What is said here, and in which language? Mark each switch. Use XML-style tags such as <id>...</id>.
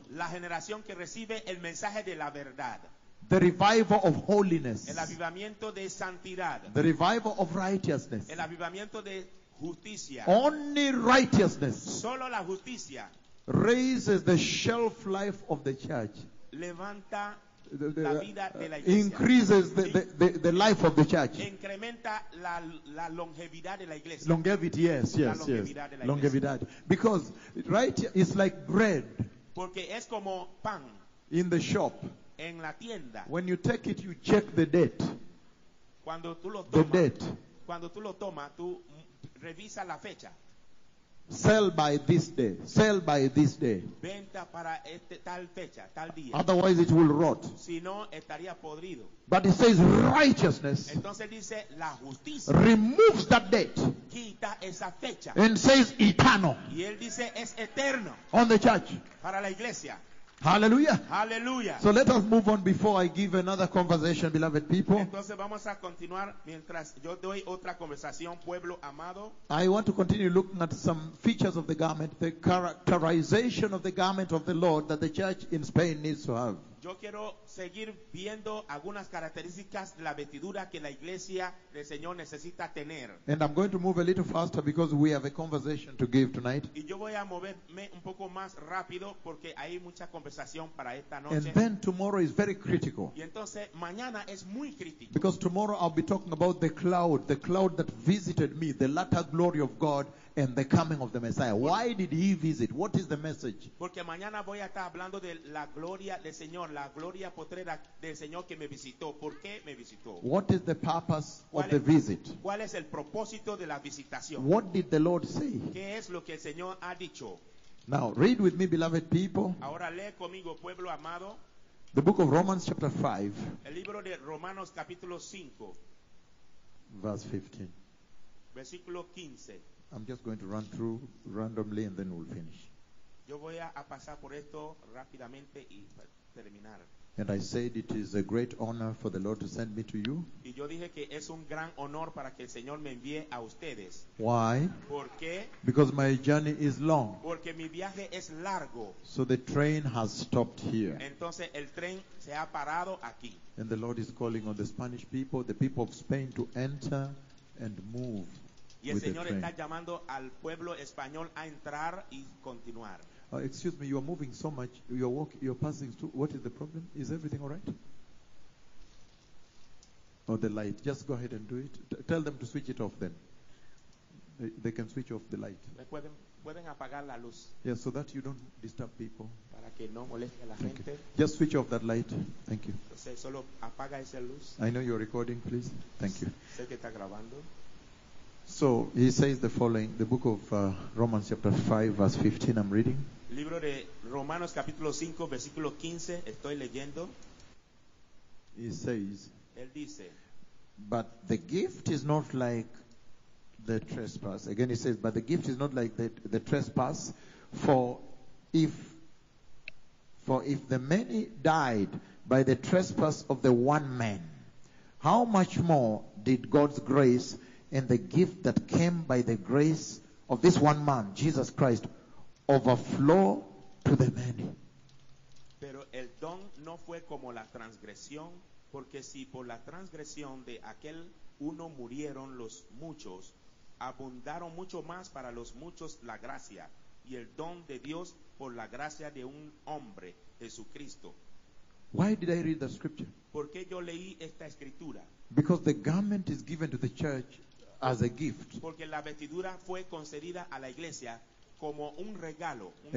<es>La generación que recibe el mensaje de la verdad.</es> <en>The revival of holiness.</en> <es>El avivamiento de santidad.</es> <en>The revival of righteousness.</en> <es>El avivamiento de justicia.</es> <en>Only righteousness.</en> <es>Solo la justicia.</es> <en>Raises the shelf life of the church.</en> <es>Levanta la vida de la iglesia.</es> <en>Increases the life of the church.</en> <es>Incrementa la longevidad de la iglesia.</es> <en>Longevity, yes. Longevidad. Because right, it's like bread.</en> <es>Porque es como pan.</es> <en>In the shop.</en> <es>En la tienda.</es> <en>When you take it, you check the date.</en> <es>Cuando tú lo tomas,</es> <en>the date.</en> <es>Cuando tú lo tomas, tú revisa la fecha.</es> <en>Sell by this day. Sell by this day.</en> <es>Venta para este, tal fecha, tal día.</es> <en>Otherwise it will rot.</en> <es>Si no, estaría podrido.</es> <en>But it says righteousness.</en> <es>Entonces dice, la justicia</es> <en>removes that date.</en> <es>Quita esa fecha.</es> <en>And says eternal.</en> <es>Y él dice, es eterno.</es> <en>On the church.</en> <es>Para la iglesia. Hallelujah. Hallelujah.</es> <en>So let us move on before I give another conversation, beloved people.</en> <es>Entonces vamos a continuar mientras yo doy otra conversación, pueblo amado.</es> <en>I want to continue looking at some features of the garment, the characterization of the garment of the Lord that the church in Spain needs to have.</en> <es>Yo quiero seguir viendo algunas características de la vestidura que la iglesia del Señor necesita tener.</es> <en>And I'm going to move a little faster because we have a conversation to give tonight.</en> <es>Y yo voy a moverme un poco más rápido porque hay mucha conversación para esta noche.</es> <en>And then tomorrow is very critical.</en> <es>Y entonces mañana es muy crítico.</es> <en>Because tomorrow I'll be talking about the cloud that visited me, the latter glory of God. And the coming of the Messiah. Why did he visit? What is the message?</en> <es>Porque mañana voy a estar hablando de la gloria del Señor, la gloria potrera del Señor que me visitó. ¿Por qué me visitó?</es> <en>What is the purpose of the visit?</en> <es>¿Cuál es el propósito de la visitación?</es> <en>What did the Lord say?</en> <es>¿Qué es lo que el Señor ha dicho?</es> <en>Now read with me, beloved people.</en> <es>Ahora lee conmigo, pueblo amado.</es> <en>The book of Romans chapter 5.</en> <es>El libro de Romanos capítulo 5.</es> <en>Verse 15.</en> <es>Versículo 15.</es> <en>I'm just going to run through randomly and then we'll finish.</en> <es>Yo voy a pasar por esto rápidamente y terminar.</es> <en>And I said it is a great honor for the Lord to send me to you.</en> <es>Y yo dije que es un gran honor para que el Señor me envíe a ustedes.</es> <en>Why?</en> <es>¿Por qué?</es> <en>Because my journey is long.</en> <es>Porque mi viaje es largo.</es> <en>So the train has stopped here.</en> <es>Entonces el tren se ha parado aquí.</es> <en>And the Lord is calling on the Spanish people, the people of Spain, to enter and move.</en> <es>Y el Señor está llamando al pueblo español a entrar y continuar.</es> <en>Excuse me, you are moving so much. You're passing through. What is the problem? Is everything all right? Or the light? Just go ahead and do it. Tell them to switch it off then. They can switch off the light.</en> <es>Pueden apagar la luz.</es> <en>Yeah, so that you don't disturb people.</en> <es>Para que no moleste a la gente.</es> <en>Just switch off that light. Thank you.</en> <es>Entonces, solo apaga esa luz.</es> <en>I know you're recording, please. Thank you.</en> <es>Sé que está grabando.</es> <en>So he says the following, the book of Romans chapter 5 verse 15 I'm reading.</en> <es>Libro de Romanos capítulo 5 versículo 15 estoy leyendo.</es> <en>He says,</en> <es>él dice,</es> <en>but the gift is not like the trespass. Again he says, but the gift is not like the trespass, for if the many died by the trespass of the one man, how much more did God's grace and the gift that came by the grace of this one man, Jesus Christ, overflow to the many.</en> <es>Pero el don no fue como la transgresión, porque si por la transgresión de aquel uno murieron los muchos, abundaron mucho más para los muchos la gracia, y el don de Dios por la gracia de un hombre, Jesucristo.</es> <en>Why did I read the scripture?</en> <es>¿Por qué yo leí esta escritura?</es> <en>Because the garment is given to the church as a gift.</en> <es>Porque la vestidura fue concedida a la iglesia como un regalo, un</es>